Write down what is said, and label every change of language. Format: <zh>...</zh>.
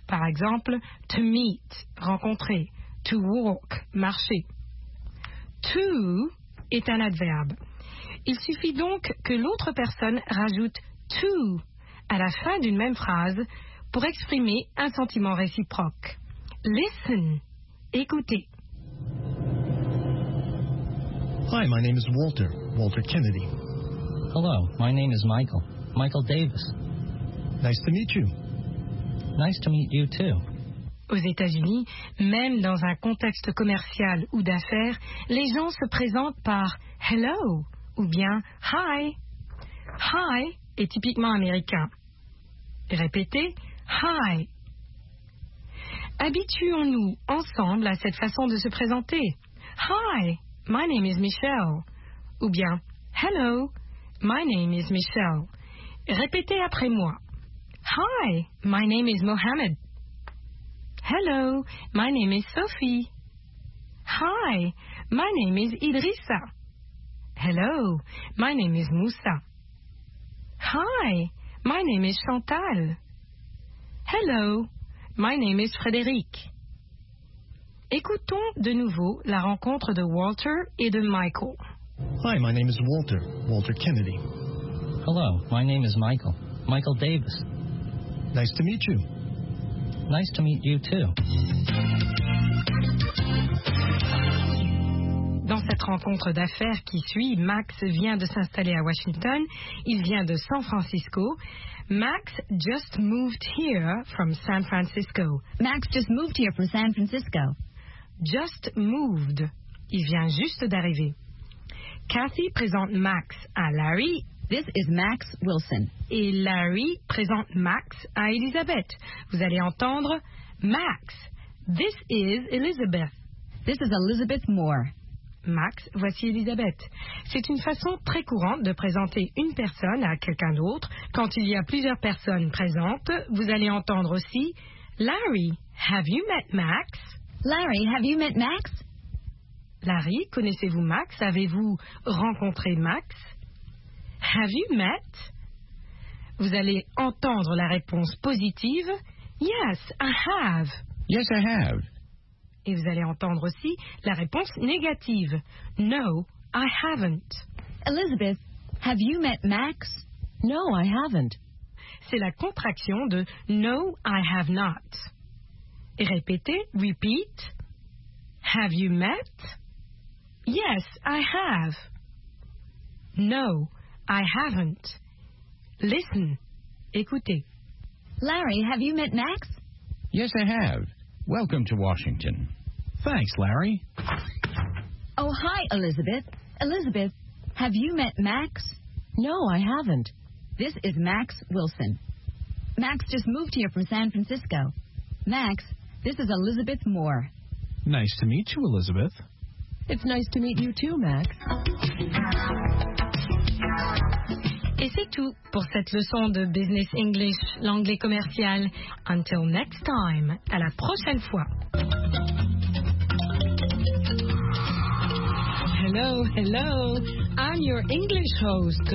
<fr>Par exemple,</fr> <en>to meet,</en> <fr>rencontrer.</fr> <en>To walk,</en> <fr>marcher. To est un adverbe. Il suffit donc que l'autre personne rajoute to à la fin d'une même phrase pour exprimer un sentiment réciproque. Listen, écoutez.</fr> <en>Hi, my name is Walter, Walter Kennedy. Hello, my name is Michael, Michael Davis. Nice to meet you. Nice to meet you too.</en> <fr>Aux États-Unis, même dans un contexte commercial ou d'affaires, les gens se présentent par « hello » ou bien « hi ».« Hi » est typiquement américain. Répétez « hi ». Habituons-nous ensemble à cette façon de se présenter.</fr> <en>« Hi, my name is Michelle »</en> <fr>ou bien</fr> <en>« hello, my name is Michelle ».</en> <fr>Répétez après moi.</fr> <en>« Hi, my name is Mohammed ». Hello, my name is Sophie. Hi, my name is Idrissa. Hello, my name is Moussa. Hi, my name is Chantal. Hello, my name is Frédéric.</en> <fr>Écoutons de nouveau la rencontre de Walter et de Michael.</fr> <en>Hi, my name is Walter, Walter Kennedy. Hello, my name is Michael, Michael Davis. Nice to meet you. Nice to meet you too.</en> <fr>Dans cette rencontre d'affaires qui suit, Max vient de s'installer à Washington. Il vient de San Francisco.</fr> <en>Max just moved here from San Francisco. Max just moved here from San Francisco. Just moved.</en> <fr>Il vient juste d'arriver. Kathy présente Max à Larry.</fr> <en>This is Max Wilson.</en> <fr>Et Larry présente Max à Elizabeth. Vous allez entendre Max.</fr> <en>This is Elizabeth. This is Elizabeth Moore.</en> <fr>Max, voici Elizabeth. C'est une façon très courante de présenter une personne à quelqu'un d'autre. Quand il y a plusieurs personnes présentes, vous allez entendre aussi Larry,</fr> <en>have you met Max? Larry, have you met Max?</en> <fr>Larry, connaissez-vous Max? Avez-vous rencontré Max?</fr> <en>Have you met?</en> <fr>Vous allez entendre la réponse positive.</fr> <en>Yes, I have. Yes, I have.</en> <fr>Et vous allez entendre aussi la réponse négative.</fr> <en>No, I haven't. Elizabeth, have you met Max? No, I haven't.</en> <fr>C'est la contraction de</fr> <en>no, I have not.</en> <fr>Répétez, repeat.</fr> <en>Have you met? Yes, I have. No, I haven't. Listen. Écoutez. Larry, have you met Max? Yes, I have. Welcome to Washington. Thanks, Larry. Oh, hi, Elizabeth. Elizabeth, have you met Max? No, I haven't. This is Max Wilson. Max just moved here from San Francisco. Max, this is Elizabeth Moore. Nice to meet you, Elizabeth. It's nice to meet you too, Max.</en> <fr>Et c'est tout pour cette leçon de Business English, l'anglais commercial.</fr> <en>Until next time,</en> <fr>à la prochaine fois.</fr> <en>Hello, hello. I'm your English host.</en>